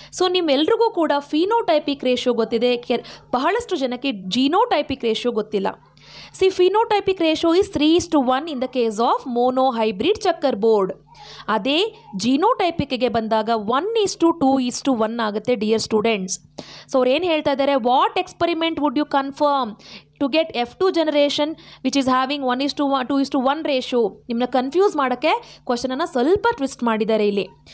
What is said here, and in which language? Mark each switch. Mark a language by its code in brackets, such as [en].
[kn] So ನಿಮ್ಮೆಲ್ರಿಗೂ ಕೂಡ phenotypic ratio ಗೊತ್ತಿದೆ, ಬಹಳಷ್ಟು ಜನಕ್ಕೆ ಜಿನೋಟೈಪಿಕ್ ರೇಷಿಯೋ ಗೊತ್ತಿಲ್ಲ. [en] See, phenotypic ratio is 3:1 in the case of monohybrid chakkar board. [kn] ಅದೇ ಜಿನೋಟೈಪಿಕ್ಗೆ ಬಂದಾಗ 1:2:1 ಆಗುತ್ತೆ ಡಿಯರ್ ಸ್ಟೂಡೆಂಟ್ಸ್. ಸೊ ಅವ್ರು ಏನು ಹೇಳ್ತಾ ಇದ್ದಾರೆ, [en] What experiment would you confirm to get F2 generation which is having 1:2:1 ratio. [kn] ನಿಮ್ಮನ್ನ ಕನ್ಫ್ಯೂಸ್ ಮಾಡೋಕ್ಕೆ ಕ್ವಶನನ್ನು ಸ್ವಲ್ಪ ಟ್ವಿಸ್ಟ್ ಮಾಡಿದ್ದಾರೆ ಇಲ್ಲಿ.